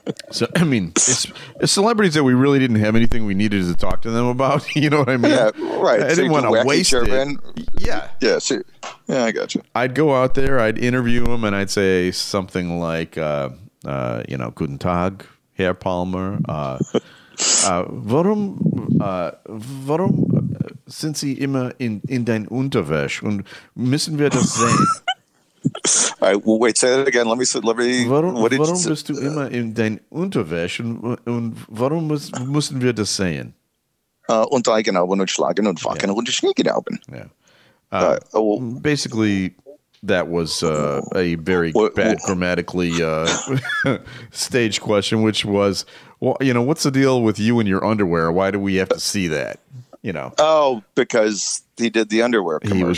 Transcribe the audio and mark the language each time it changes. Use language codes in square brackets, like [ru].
[en] So, I mean, it's celebrities that we really didn't have anything we needed to talk to them about. You know what I mean? Yeah, right. I didn't want to waste German. It. Yeah. Yeah, see. Yeah, I got you. I'd go out there, I'd interview them, and I'd say something like, [de] guten Tag, Herr Palmer. Warum sind Sie immer in dein Unterwäsch? Und müssen wir das sehen? [en] All right, well, wait, say that again. Let me [de] warum bist du immer in dein Unterwäsch? Und warum müssen wir das sehen? Untereigenauben und schlagen und fucken und schniegenauben. [en] Basically, that was a very bad grammatically stage question, which was, well, you know, what's the deal with you and your underwear? Why do we have to see that? You know. Oh, because he did the underwear commercial.